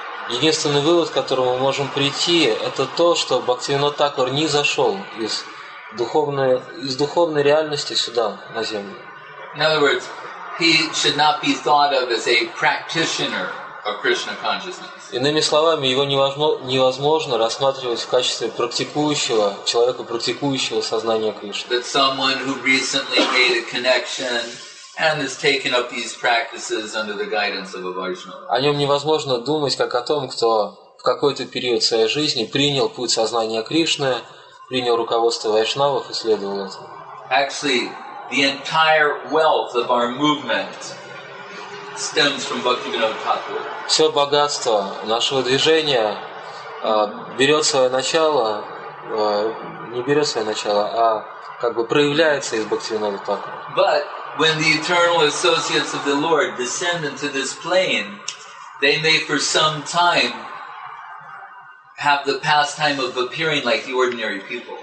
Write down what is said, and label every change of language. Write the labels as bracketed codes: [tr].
[ru] Единственный вывод, к которому мы можем прийти, это то, что Бхактивинода Такур не зашел из духовной реальности сюда, на землю. [en] In other words, he should not be thought of as a practitioner of Krishna consciousness. [ru] Иными словами, его невозможно рассматривать в качестве практикующего, человека, практикующего сознание Кришны. [en] That someone who recently made a connection and has taken up these practices under the guidance of a Vaishnava. [ru] О нем невозможно думать как о том, кто в какой-то период своей жизни принял путь сознания Кришны, принял руководство вайшнавов и следовал этому. [en] Actually, the entire wealth of our movement stems from Bhaktivinoda Thakur. [ru] Все богатство нашего движения берет свое начало, не берет свое начало, а как бы проявляется из Бхактивинода Такура. [en] But when the eternal associates of the Lord descend into this plane, they may for some time have the pastime of appearing like the ordinary people.